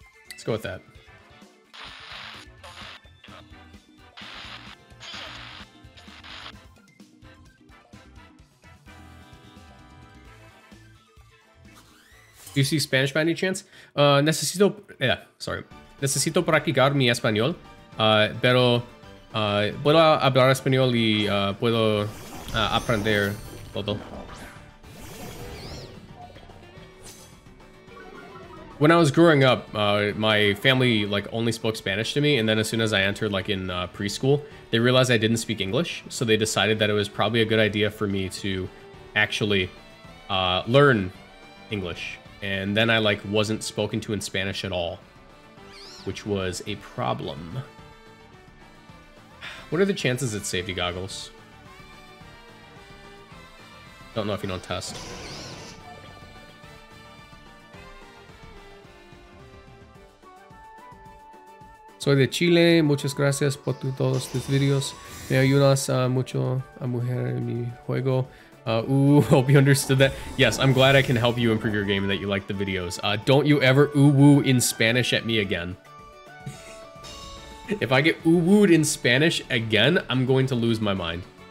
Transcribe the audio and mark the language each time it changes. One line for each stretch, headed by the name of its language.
English: Let's go with that. Do you see Spanish by any chance?
Spanish: Necesito...
English: Yeah, sorry.
Spanish: Necesito practicar mi español. Pero... puedo hablar español y puedo aprender todo.
English: When I was growing up, my family like only spoke Spanish to me, and then as soon as I entered like in preschool, they realized I didn't speak English, so they decided that it was probably a good idea for me to actually learn English. And then I like wasn't spoken to in Spanish at all, which was a problem. What are the chances it's safety goggles? Don't know if you don't test.
Spanish: Soy de Chile, muchas gracias por todos tus videos. Me ayudas mucho a mujer en mi juego.
English: Ooh, hope you understood that. Yes, I'm glad I can help you improve your game and that you like the videos. Don't you ever ooh-woo in Spanish at me again. If I get ooh-wooed in Spanish again, I'm going to lose my mind.